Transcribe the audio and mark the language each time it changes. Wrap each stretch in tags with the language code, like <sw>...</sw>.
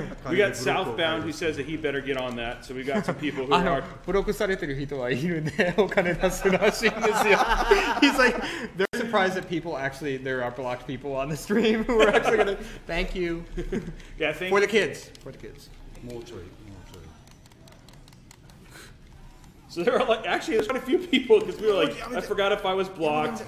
<en>We got Southbound who says that he better get on that. So we got some people who are.</en> <ja>ブロックされてる人はいるんでお金出すらしいんですよ.</ja> <en>He's like, they're surprised that people actually, there are blocked people on the stream who are actually going to. Thank you. Yeah, thank you. For the kids. For the kids. More trade. So there are like, actually, there's quite a few people because we were like, I forgot if I was blocked.</en>